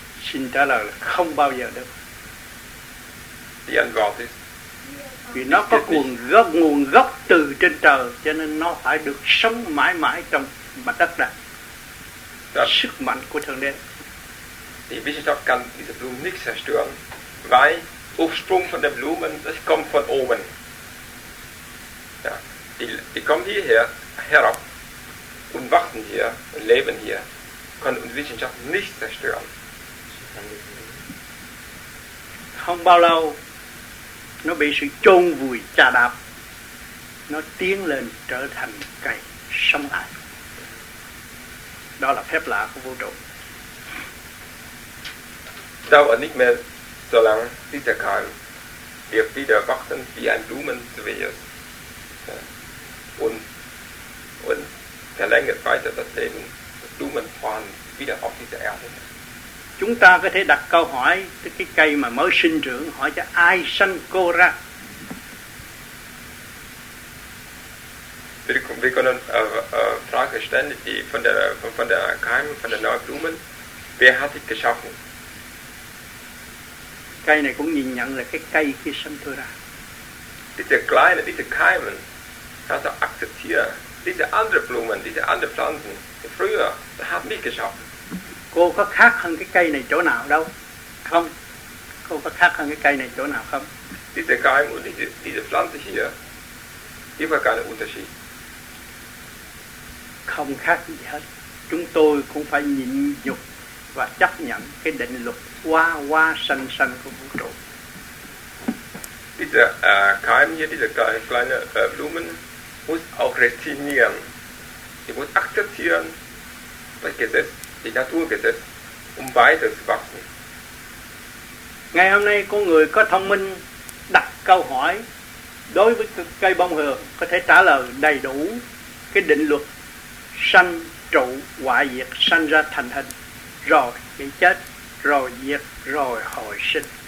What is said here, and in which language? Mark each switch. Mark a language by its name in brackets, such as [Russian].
[Vietnamese] Xin trả lời là không bao giờ được. Vì nó có nguồn gốc từ trên trời, cho nên nó phải được sống mãi mãi trong mặt đất này. Sức mạnh của thượng đế. [German] Die Wissenschaft kann diese Blumen nicht zerstören, weil Ursprung von den Blumen, das kommt von oben. Ja, die kommen hierher, herab und wachsen hier und leben hier. Kann die Wissenschaft nicht zerstören. [Vietnamese] Không bao lâu nó bị sự chôn vùi chà đạp, nó tiến lên trở thành cây sống lại. Đó là phép lạ của vũ trụ. [German] Dauert nicht mehr so lang, dieser Keim wird wieder wachsen wie ein Blumenzweig und verlängert weiter das Leben des Blumenfahren wieder auf dieser Erde. [Vietnamese] Chúng ta có thể đặt câu hỏi tới cái cây mà mới sinh trưởng, hỏi cho ai sanh cô ra. [German] Wir können Frage stellen, die von der Keim, von der neuen Blumen, wer hat sie geschaffen? [Vietnamese] Cây này cũng nhìn nhận là cái cây khi sanh tôi ra. [German] Diese kleine, diese Keimen, kannst du akzeptieren, diese anderen Blumen, diese anderen Pflanzen, früher, da haben wir geschaffen. [Vietnamese] Cô có khác hơn cái cây này chỗ nào đâu? Không. Cô có khác hơn cái cây này chỗ nào không? [German] Diese Keim und diese Pflanze hier, hier war keine Unterschied. [Vietnamese] Không khác gì hết. Chúng tôi cũng phải nhịn nhục và chấp nhận cái định luật hoa hoa xanh xanh của vũ trụ. [German] Diese Keim hier, diese kleine Blumen, muss auch resignieren. Sie muss akzeptieren das Gesetz. Die Naturgesetz, weiter zu wachsen. [Vietnamese] Ngày hôm nay, con người có thông minh đặt câu hỏi đối với cây bông hường có thể trả lời đầy đủ cái định luật sanh trụ hoại diệt, sanh ra thành hình, rồi bị chết, rồi diệt, rồi hồi sinh.